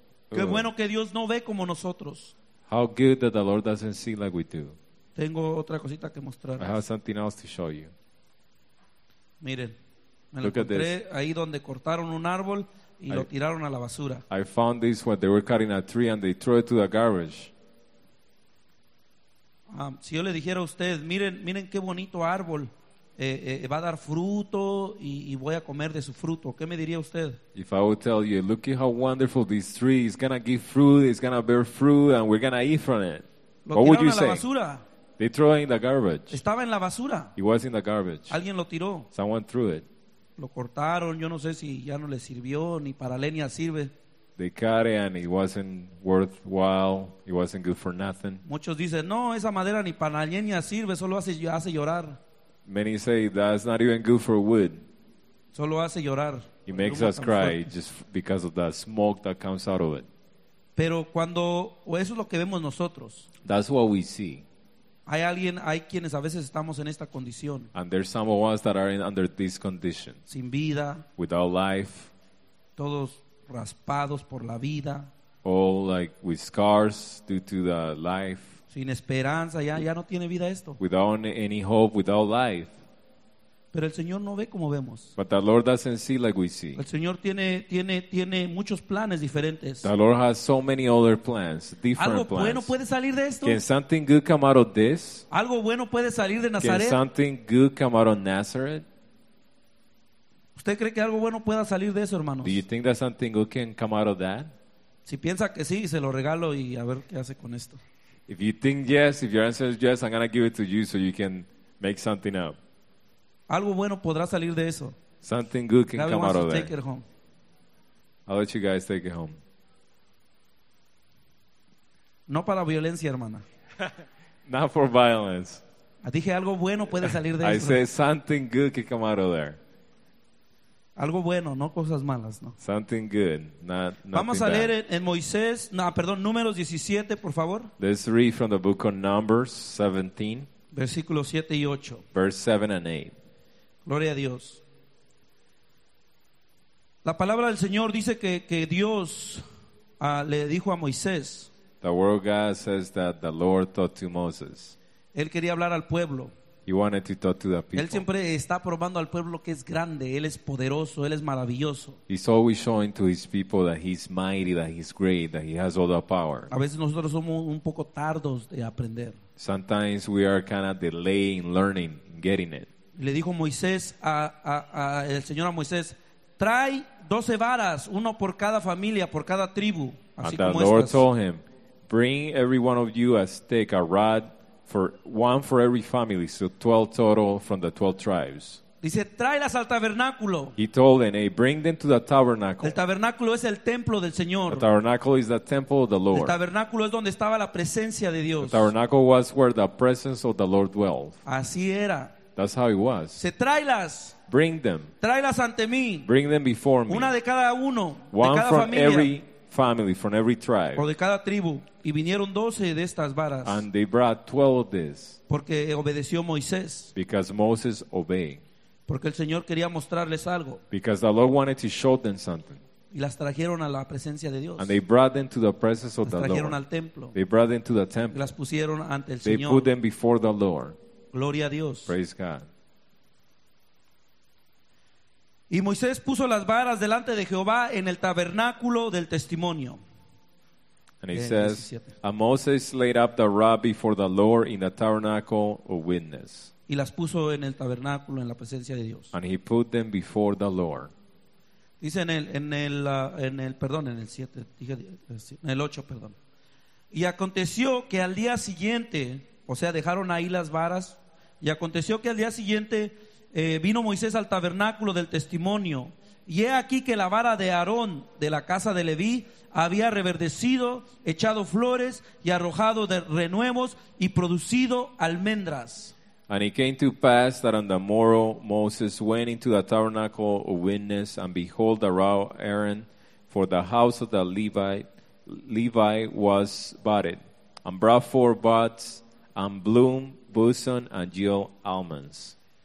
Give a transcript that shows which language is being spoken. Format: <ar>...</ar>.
<es>Qué bueno que Dios no ve como nosotros.</es> <en>How good that the Lord doesn't see like we do.</en> <es>Tengo otra cosita que mostrar.</es> <en>I have something else to show you.</en> <es>Miren, me lo encontré ahí donde cortaron un árbol. Y lo tiraron a la basura.</es> <en>I found this when they were cutting a tree and they threw it to the garbage.</en> <es>Si yo le dijera a usted, miren qué bonito árbol, va a dar fruto y voy a comer de su fruto, ¿qué me diría usted?</es> <en>If I would tell you, look at how wonderful this tree is gonna give fruit, it's gonna bear fruit, and we're gonna eat from it. What would you say?</en> <es>Basura.</es> <en>They threw it in the garbage.</en> <es>Estaba en la basura.</es> <en>It was in the garbage.</en> <es>Alguien lo tiró.</es> <en>Someone threw it.</en> <es>Lo cortaron, yo no sé si ya no le sirvió, ni para leña sirve.</es> <en>They cut it and it wasn't worthwhile, it wasn't good for nothing.</en> <es>Muchos dicen, no, esa madera ni para leña sirve, solo hace llorar.</es> <en>Many say, that's not even good for wood.</en> <es>Solo hace llorar.</es> <en>It makes us cry just because of the smoke that comes out of it.</en> <es>Pero cuando, o eso es lo que vemos nosotros.</es> <en>That's what we see.</en> <es>Hay quienes a veces estamos en esta condición.</es> <en>And there's some of us that are under this condition.</en> <es>Sin vida.</es> <en>Without life.</en> <es>Todos raspados por la vida.</es> <en>All like with scars due to the life.</en> <es>Sin esperanza, ya no tiene vida esto.</es> <en>Without any hope, without life.</en> <es>Pero el Señor no ve como vemos.</es> <en>But the Lord doesn't see like we see.</en> <es>El Señor tiene muchos planes diferentes.</es> <en>The Lord has so many other plans, different</en> <es>¿Algo</es> <en>plans.</en> <es>¿Algo bueno puede salir de esto?</es> <en>Can something good come out of this?</en> <es>¿Algo bueno puede salir de Nazaret?</es> <en>Can something good come out of Nazareth?</en> <es>¿Usted cree que algo bueno pueda salir de eso, hermanos?</es> <en>Do you think that something good can come out of that?</en> <es>Si piensa que sí, se lo regalo y a ver qué hace con esto.</es> <en>If you think yes, if your answer is yes, I'm going to give it to you so you can make something up.</en> <es>Algo bueno podrá salir de eso.</es> <en>Something good can Nobody come out of that. Take it home. I'll let you guys take it home.</en> <es>No para violencia, hermana.</es> <en>Not for violence.</en> <es>Dije algo bueno puede salir de eso.</es> <en>I said something good could come out of there.</en> <es>Algo bueno, no cosas malas, ¿no?</es> <en>Something good, not</en> <es>vamos a leer</es> <en>bad.</en> <es>En Moisés, no, perdón, Números 17, por favor.</es> <en>Let's read from the book of Numbers 17.</en> <es>Versículos 7 y 8.</es> <en>Verse 7 and 8.</en> <es>Gloria a Dios. La palabra del Señor dice que Dios le dijo a Moisés.</es> <en>The word of God says that the Lord talked to Moses.</en> <es>Él quería hablar al pueblo.</es> <en>He wanted to talk to the people.</en> <es>Él siempre está probando al pueblo que es grande, él es poderoso, él es maravilloso.</es> <en>He's always showing to his people that he's mighty, that he's great, that he has all the power.</en> <es>A veces nosotros somos un poco tardos de aprender.</es> <en>Sometimes we are kind of delaying learning, getting it.</en> <es>Le dijo Moisés el Señor a Moisés, trae 12 varas, uno por cada familia, por cada tribu, así como estas.</es> <en>The Lord told him, bring every one of you a stick, a rod, for one for every family, so 12 total from the 12 tribes.</en> <es>Dice, tráelas al tabernáculo.</es> <en>He told them, hey, bring them to the tabernacle.</en> <es>El tabernáculo es el templo del Señor.</es> <en>The tabernacle is the temple of the Lord.</en> <es>El tabernáculo es donde estaba la presencia de Dios.</es> <en>The tabernacle was where the presence of the Lord dwelt.</en> <es>Así era.</es> <en>That's how it was.</en> <es>Se tráelas.</es> <en>Bring them.</en> <es>Tráelas ante mí.</es> <en>Bring them before me.</en> <es>Una de cada uno.</es> <en>One</en> <es>de cada</es> <en>from</en> <es>familia.</es> <en>Every family, from every tribe.</en> <es>O de cada tribu. Y vinieron 12 de estas varas.</es> <en>And they brought 12 of this.</en> <es>Porque obedeció Moisés.</es> <en>Because Moses obeyed.</en> <es>Porque el Señor quería mostrarles algo.</es> <en>Because the Lord wanted to show them something.</en> <es>Y las trajeron a la presencia de Dios.</es> <en>And they brought them to the presence of the Lord.</en> <es>Las trajeron al templo.</es> <en>They brought them to the temple.</en> <es>Y las pusieron ante el</es> <en>they</en> <es>Señor.</es> <en>They put them before the Lord.</en> <es>Gloria a Dios.</es> <en>Praise God.</en> <es>Y Moisés puso las varas delante de Jehová en el tabernáculo del testimonio.</es> <en>And he says, and Moses laid up the rod before the Lord in the tabernacle of witness.</en> <es>Y las puso en el tabernáculo en la presencia de Dios.</es> <en>And he put them before the Lord.</en> <es>Dice en el 8. Y aconteció que al día siguiente, o sea, dejaron ahí las varas, y aconteció que al día siguiente vino Moisés al tabernáculo del testimonio, y he aquí que la vara de Aarón de la casa de Leví había reverdecido, echado flores y arrojado de renuevos y producido almendras.</es> <en>And it came to pass that on the morrow Moses went into the tabernacle of witness, and behold, the rod of Aaron for the house of the Levi was budded, and brought forth buds and bloom, bosom and yield almonds.</en>